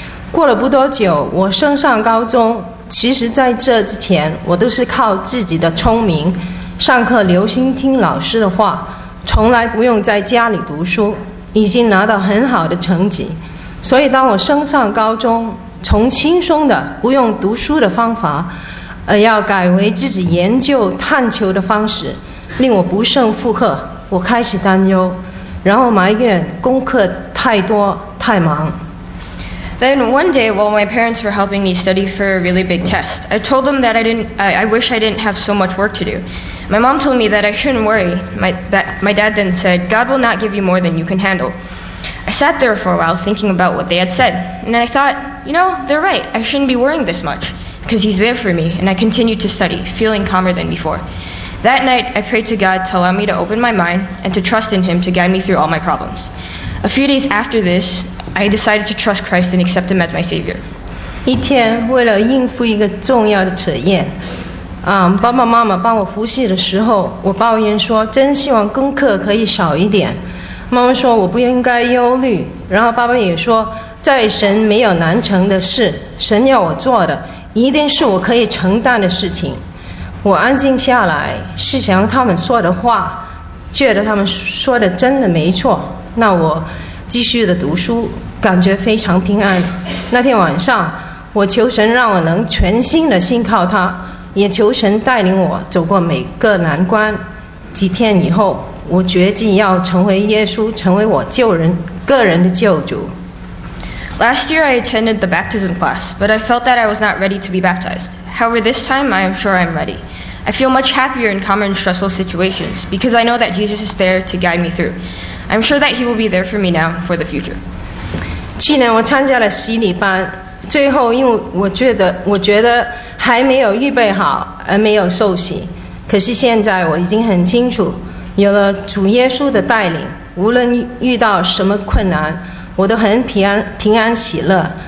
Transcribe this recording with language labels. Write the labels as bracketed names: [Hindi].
[Chinese] 过了不多久，我升上高中。其实在这之前，我都是靠自己的聪明，上课留心听老师的话，从来不用在家里读书，已经拿到很好的成绩。所以当我升上高中，从轻松的不用读书的方法，而要改为自己研究探求的方式，令我不胜负荷。我开始担忧，然后埋怨功课太多太忙。 [English] Then one day, while my parents were helping me study for a really big test, I told them that I wish I didn't have so much work to do. My mom told me that I shouldn't worry. My dad then said, God will not give you more than you can handle. I sat there for a while thinking about what they had said, and then I thought, you know, they're right. I shouldn't be worrying this much, because he's there for me, and I continued to study, feeling calmer than before. That night, I prayed to God to allow me to open my mind and to trust in him to guide me through all my problems. A few days after this, I decided to trust Christ and accept him as my savior. [Chinese] 一天，为了应付一个重要的测验，爸爸妈妈帮我复习的时候，我抱怨说，真希望功课可以少一点。妈妈说我不应该忧虑，然后爸爸也说，在神没有难成的事，神要我做的，一定是我可以承担的事情。我安静下来，试想他们说的话，觉得他们说的真的没错。那我继续的读书，感觉非常平安。那天晚上，我求神让我能全心的信靠他，也求神带领我走过每个难关。几天以后，我决定要成为耶稣，成为我救人个人的救主。 [English] Last year I attended the baptism class, but I felt that I was not ready to be baptized. However, this time I am sure I'm ready. I feel much happier in common stressful situations because I know that Jesus is there to guide me through. I'm sure that he will be there for me now for the future. [Chinese] 去年我参加了洗礼班，最后因为我觉得还没有预备好而没有受洗。可是现在我已经很清楚，有了主耶稣的带领，无论遇到什么困难，我都很平安喜乐。